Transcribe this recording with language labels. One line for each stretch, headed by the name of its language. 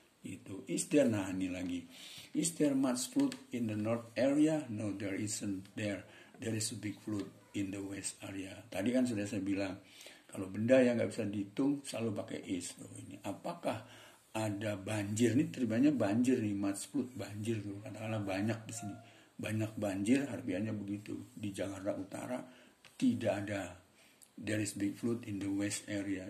Indonesian: Itu
English: is there,
Indonesian: nah ini lagi,
English: is there much flood in the north area? No, there isn't. There is a big flood in the west area.
Indonesian: Tadi kan sudah saya bilang kalau benda yang nggak bisa dihitung selalu pakai is. Oh, ini apakah ada banjir nih, terimanya banjir nih,
English: much flood,
Indonesian: banjir tuh katakanlah banyak di sini, banyak banjir harfiahnya begitu. Di Jakarta Utara tidak ada.
English: There is big flood in the west area.